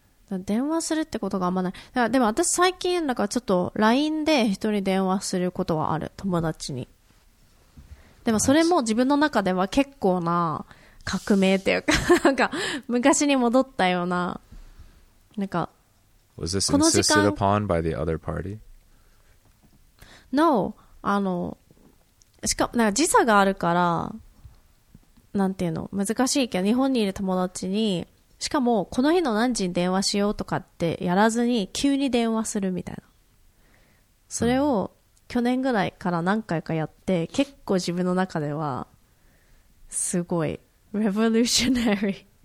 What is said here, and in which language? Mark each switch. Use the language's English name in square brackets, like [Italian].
[Japanese] 電話するってことがあんまない。だからでも私最近なんかちょっと LINE で一人電話することはある友達に。でもそれも自分の中では結構な革命っていうかなんか昔に戻ったようななんか。 [English] Was this insisted upon by the other party? [Japanese] No, あのしかもなんか時差があるからなんていうの難しいけど日本にいる友達に。しかもこの日の何時に電話しようとかってやらずに急に電話するみたいなそれを去年ぐらいから何回かやって結構自分の中ではすごい revolutionary